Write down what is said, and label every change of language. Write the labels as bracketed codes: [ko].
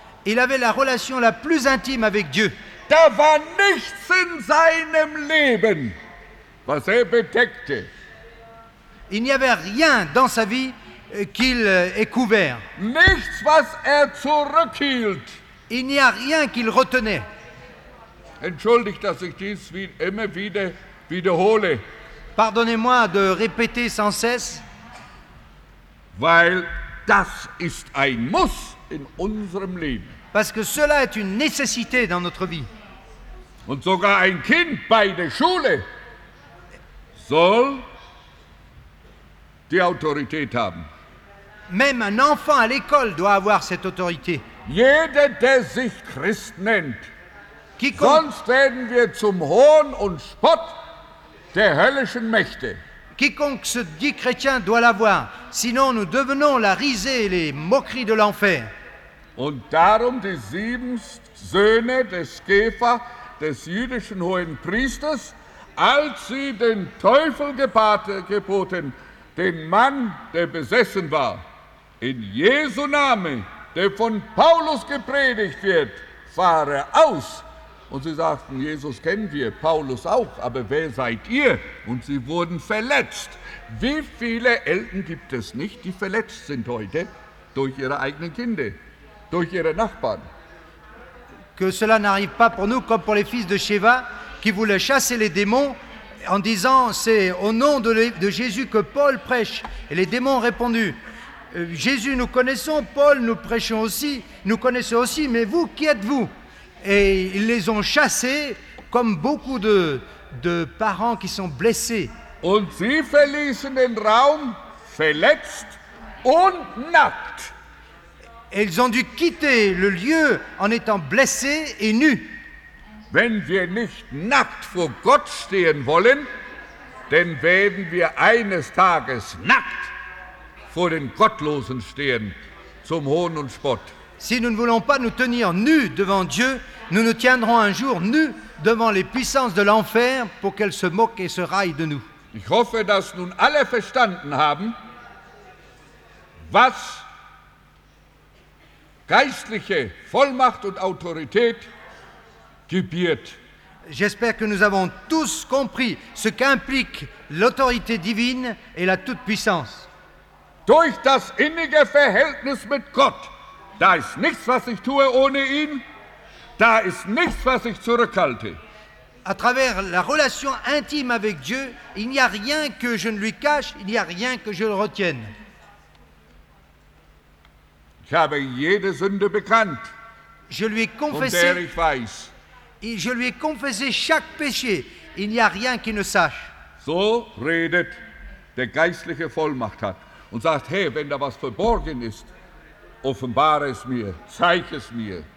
[fr] Il avait la relation la plus intime avec Dieu. [de] Da war nichts in seinem Leben, was er bedeckte. [fr] Il n'y avait rien dans sa vie qu'il ait couvert. [de] Nichts, was er zurückhielt. [fr] Il n'y a rien qu'il retenait. [de] Entschuldigt, dass ich dies immer wieder wiederhole. [fr] Pardonnez-moi de répéter sans cesse. [de] Weil das ist ein Muss in unserem Leben. [fr] Parce que cela est une nécessité dans notre vie. [de] Und sogar ein Kind bei der Schule soll die Autorität haben. [fr] Même un enfant à l'école doit avoir cette autorité. [de] Jeder, der sich Christ nennt, sonst werden wir zum Hohn und Spott der höllischen Mächte. [fr] Quiconque se dit chrétien doit l'avoir, sinon nous devenons la risée et les moqueries de l'enfer. [de] Und darum die sieben Söhne des Kepha, des jüdischen hohen Priesters, als sie den Teufel geboten, den Mann, der besessen war, in Jesu Name, der von Paulus gepredigt wird, fahre aus. Und sie sagten, Jesus kennen wir, Paulus auch, aber wer seid ihr? Und sie wurden verletzt. Wie viele Eltern gibt es nicht, die verletzt sind heute durch ihre eigenen Kinder, durch ihre Nachbarn? [fr] Que cela n'arrive pas pour nous comme pour les fils de Sheva, qui voulaient chasser les démons, en disant, c'est au nom de Jésus que Paul prêche. Et les démons ont répondu, Jésus, nous connaissons, Paul, nous prêchons aussi, nous connaissons aussi, mais vous, qui êtes-vous? Et ils les ont chassés, comme beaucoup de parents qui sont blessés. [de] Und sie verließen den Raum verletzt und nackt. [fr] Ils ont dû quitter le lieu en étant blessés et nus. [de] Wenn wir nicht nackt vor Gott stehen wollen, dann werden wir eines Tages nackt vor den Gottlosen stehen, zum Hohn und Spott. [fr] Si nous ne voulons pas nous tenir nus devant Dieu, nous nous tiendrons un jour nus devant les puissances de l'enfer pour qu'elles se moquent et se raillent de nous. [de] Ich hoffe, dass nun alle verstanden haben, was geistliche Vollmacht und Autorität gebiert. [fr] J'espère que nous avons tous compris ce qu'implique l'autorité divine et la toute-puissance. [de] Durch das innige Verhältnis mit Gott, da ist nichts, was ich tue ohne ihn, da ist nichts, was ich zurückhalte. [fr] À travers la relation intime avec Dieu, il n'y a rien que je ne lui cache, il n'y a rien que je le retienne. [de] Ich habe jede Sünde bekannt, [fr] je lui ai confessé, [de] von der ich weiß. [fr] Et je lui ai confessé chaque péché, il n'y a rien qu'il ne sache. [de] So redet der geistliche Vollmacht hat und sagt, hey, wenn da was verborgen ist, offenbare es mir, zeig es mir.